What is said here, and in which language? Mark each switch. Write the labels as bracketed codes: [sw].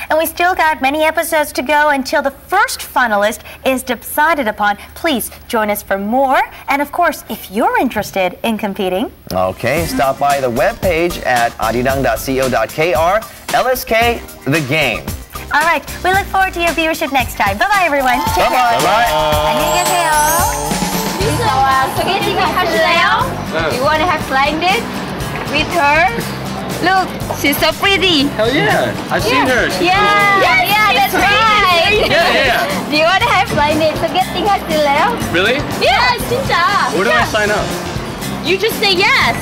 [en] And we still got many episodes to go until the first finalist is decided upon. Please join us for more. And of course, if you're interested in competing. Okay, stop by the webpage at arirang.co.kr, LSK The Game. All right, we look forward to your viewership next time. Bye-bye, everyone. Take care. Bye-bye. [ko] 안녕히 계세요. 미소와 소개팅을 하실래요? [en] You want to have blind date with her? Look, she's so pretty. Hell yeah. I've seen her. She's cool. Yeah, that's right. Yeah. Do you want to have blind date? Soketing [ko] 하실래요? [en] Really? Yeah, [ko] 진짜. [en] Where do I sign up? You just say yes.